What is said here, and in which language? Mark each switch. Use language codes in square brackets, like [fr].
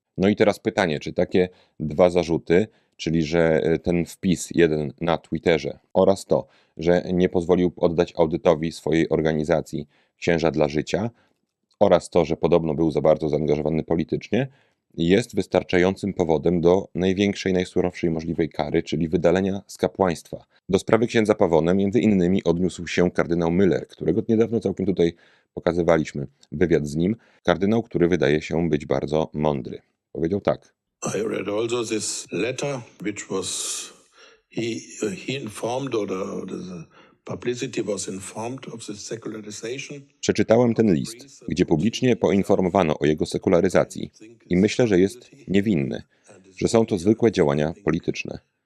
[pl] No i teraz pytanie, czy takie dwa zarzuty, czyli że ten wpis jeden na Twitterze oraz to, że nie pozwolił oddać audytowi swojej organizacji Księża dla Życia oraz to, że podobno był za bardzo zaangażowany politycznie, jest wystarczającym powodem do największej, najsurowszej możliwej kary, czyli wydalenia z kapłaństwa. Do sprawy księdza Pawone między innymi odniósł się kardynał Müller, którego niedawno całkiem tutaj pokazywaliśmy wywiad z nim. Kardynał, który wydaje się być bardzo mądry. Powiedział tak. [en] I read also this letter, which was he informed or the publicity was informed of the secularization. [pl] Przeczytałem ten list, gdzie publicznie poinformowano o jego sekularyzacji i myślę, że jest niewinny, że są to zwykłe działania polityczne.